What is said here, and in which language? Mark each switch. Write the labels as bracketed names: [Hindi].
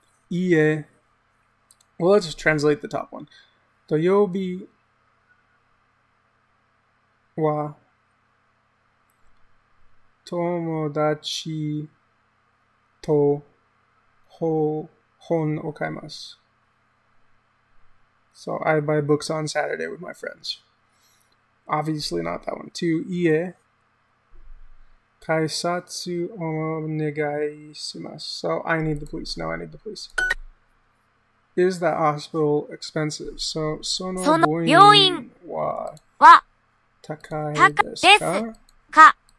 [Japanese] いいえ。 [English] Well, let's translate the top one. [Japanese] 土曜日は友達と本を買います。 [English] So I buy books on Saturday with my friends. Obviously not that one. 2. [Japanese] 家改札をお願いします。 [English] So I need the police. No, I need the police. Is that hospital expensive? [Japanese] So その病院は高いですか？